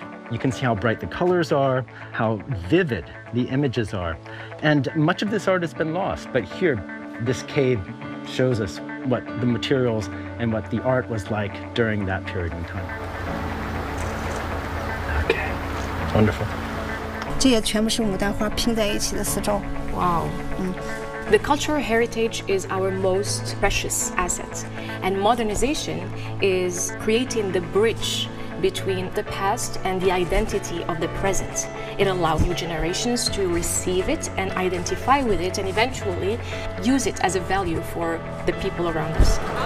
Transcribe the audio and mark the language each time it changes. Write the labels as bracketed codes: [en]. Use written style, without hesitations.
[en] You can see how bright the colors are, how vivid the images are, and much of this art has been lost. But here, this cave shows us what the materials and what the art was like during that period in time. Wonderful. [zh] 这些全部是牡丹花拼在一起的丝绸。 [en] Wow. The cultural heritage is our most precious asset, and modernization is creating the bridge between the past and the identity of the present. It allows new generations to receive it and identify with it, and eventually use it as a value for the people around us.